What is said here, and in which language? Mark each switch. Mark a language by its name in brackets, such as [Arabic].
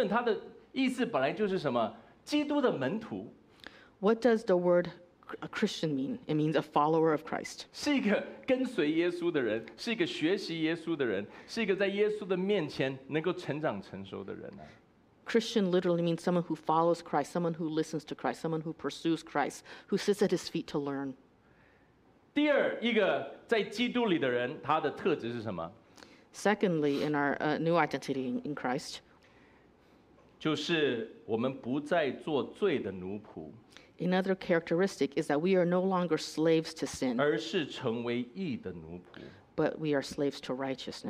[Chinese] 基督徒的基督徒这个名词，这个身份，它的意思本来就是什么？基督的门徒。 [English] What does the word a Christian mean? It means a follower of Christ. [Chinese] 是一个跟随耶稣的人，是一个学习耶稣的人，是一个在耶稣的面前能够成长成熟的人啊。 [English] Christian literally means someone who follows Christ, someone who listens to Christ, someone who pursues Christ, who sits at his feet to learn. [Chinese] 第二，一个在基督里的人，他的特质是什么？ [English] Secondly, in our new identity in Christ, [Chinese] 就是我们不再做罪的奴仆。 [English] Another characteristic is that we are no longer slaves to sin, [Chinese] 而是成为义的奴仆。 [English] But we are slaves to righteousness.